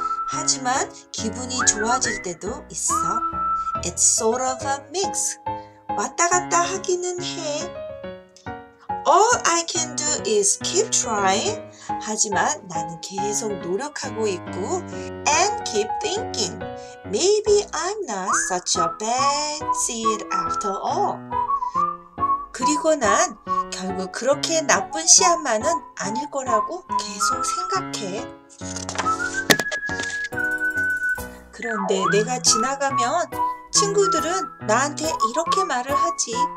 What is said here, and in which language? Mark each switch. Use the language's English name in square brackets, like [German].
[Korean] 하지만 기분이 좋아질 때도 있어. [English] It's sort of a mix. [Korean] 왔다 갔다 하기는 해. [English] All I can do is keep trying. [Korean] 하지만 나는 계속 노력하고 있고. [English] And keep thinking. Maybe I'm not such a bad seed after all. [Korean] 그리고 난 결국 그렇게 나쁜 씨앗만은 아닐 거라고 계속 생각해. 그런데 내가 지나가면 친구들은 나한테 이렇게 말을 하지.